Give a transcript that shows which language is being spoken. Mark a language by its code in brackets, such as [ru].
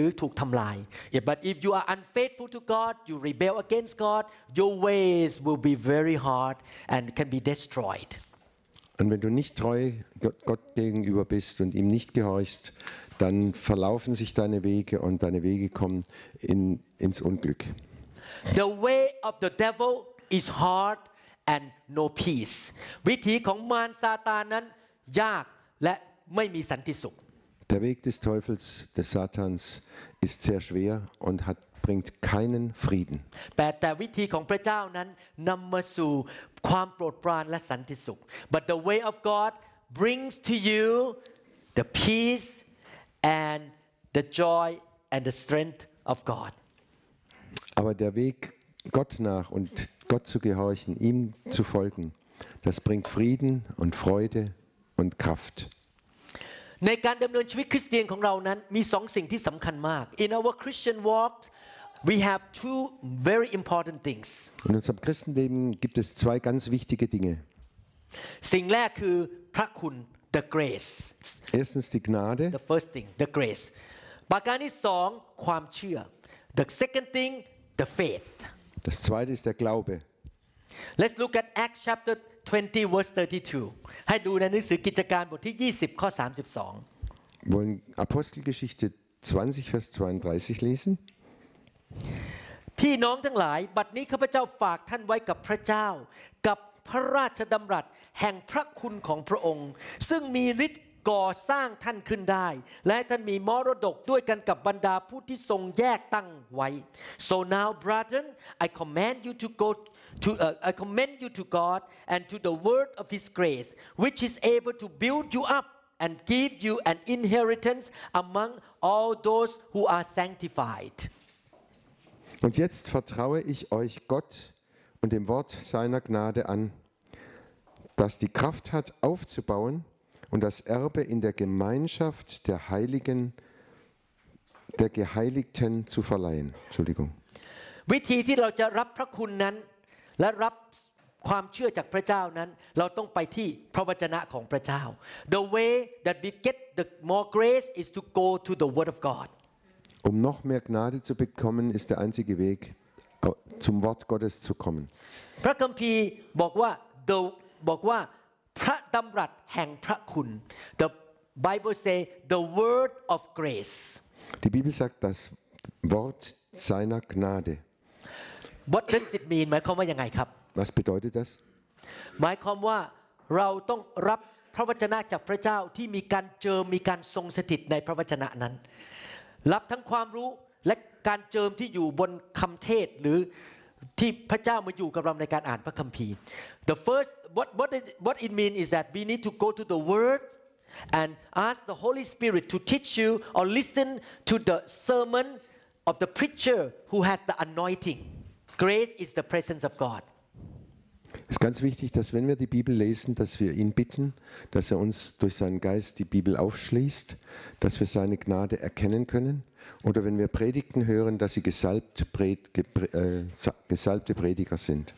[en] But if you are unfaithful to God, you rebel against God, your ways will be very hard and can be destroyed. [de] Und wenn du nicht treu Gott gegenüber bist und ihm nicht gehorchst, dann verlaufen sich deine Wege und deine Wege kommen ins Unglück. [en] The way of the devil is hard and no peace. [th] วิธีของมารซาตานนั้นยากและไม่มีสันติสุข [de] Der Weg des Teufels, des Satans ist sehr schwer und bringt keinen Frieden. [en] But the way of God brings to you the peace and the joy. But the way of God brings to you the peace and the joy and the strength of God. [de] Aber der Weg Gott nach und Gott zu gehorchen, ihm zu folgen, das bringt Frieden und Freude und Kraft. [th] ในการดำเนินชีวิตคริสเตียนของเรานั้นมีสองสิ่งที่สำคัญมาก [en] In our Christian walk we have two very important things [de] In unserem Christenleben gibt es zwei ganz wichtige Dinge [th] สิ่งแรกคือพระคุณ the grace [de] Erstens die Gnade [en] the first thing the grace [th] ประการที่สองความเชื่อ [en] the second thing the faith [de] Das zweite ist der Glaube [en] Let's look at Acts chapter 20 verse 32. [th] ให้ดูในหนังสือกิจการบทที่20ข้อ32. [de] Wollen Apostelgeschichte 20 vers 32 lesen? [th] พี่น้องทั้งหลายบัดนี้ข้าพเจ้าฝากท่านไว้กับพระเจ้ากับพระราชดำรัสแห่งพระคุณของพระองค์ซึ่งมีฤทธิ์ก่อสร้างท่านขึ้นได้และท่านมีมรดกด้วยกันกับบรรดาผู้ที่ทรงแยกตั้งไว้ [en] So now brethren I command you to goI commend you to God and to the word of His grace, which is able to build you up and give you an inheritance among all those who are sanctified. [de] Und jetzt vertraue ich euch Gott und dem Wort seiner Gnade an, das die Kraft hat, aufzubauen und das Erbe in der Gemeinschaft der Heiligen, der Geheiligten zu verleihen. Entschuldigung. [th] วิธีที่เราจะรับพระคุณนั้นและรับความเชื่อจากพระเจ้านั้นเราต้องไปที่พระวจนะของพระเจ้า [en] The way that we get the more grace is to go to the Word of God. [de] Um noch mehr Gnade zu bekommen, ist der einzige Weg zum Wort Gottes zu kommen. [th] พระคัมภีร์บอกว่าพระดำรัสแห่งพระคุณ [en] The Bible say the Word of Grace. [de] Die Bibel sagt das Wort seiner Gnade. [en] What does it mean? [th] หมายความว่ายังไงครับ [de] What bedeutet das? [th] หมายความว่าเราต้องรับพระวจนะจากพระเจ้าที่มีการเจอมีการทรงสถิตในพระวจนะนั้นรับทั้งความรู้และการเจอมที่อยู่บนคำเทศหรือที่พระเจ้ามาอยู่กับเราในการอ่านพระคัมภีร์ [en] The first what it means is that we need to go to the Word and ask the Holy Spirit to teach you or listen to the sermon of the preacher who has the anointing. Grace is the presence of God. [de] Es ist ganz wichtig, dass wenn wir die Bibel lesen, dass wir ihn bitten, dass er uns durch seinen Geist die Bibel aufschließt, dass wir seine Gnade erkennen können. Oder wenn wir Predigten hören, dass sie gesalbte Prediger sind.